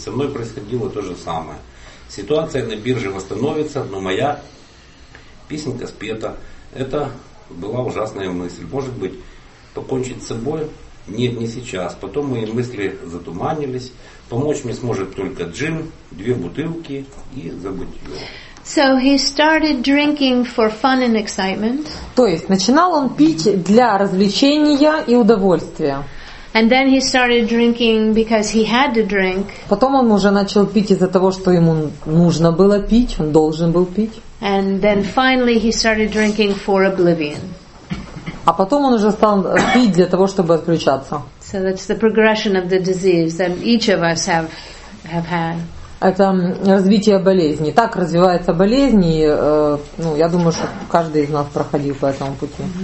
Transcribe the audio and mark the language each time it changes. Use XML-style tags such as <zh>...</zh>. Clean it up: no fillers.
<ru>Со мной происходило то же самое. Ситуация на бирже восстановится, но моя песенка спета. Это была ужасная мысль. Может быть, покончить с собой? Нет, не сейчас. Потом мои мысли затуманились. Помочь мне сможет только джин, две бутылки и забытье.</ru> <en>So he started drinking for fun and excitement.</en> <ru>То есть начинал он пить для развлечения и удовольствия.</ru> <en>And then he started drinking because he had to drink.</en> <ru>Потом он уже начал пить из-за того, что ему нужно было пить, он должен был пить.</ru> <en>And then finally he started drinking for oblivion.</en> <ru>А потом он уже стал пить для того, чтобы отключаться.</ru> <en>So that's the progression of the disease that each of us have had.</en> <ru>Это развитие болезни. Так развивается болезнь, и ну, я думаю, что каждый из нас проходил по этому пути.</ru>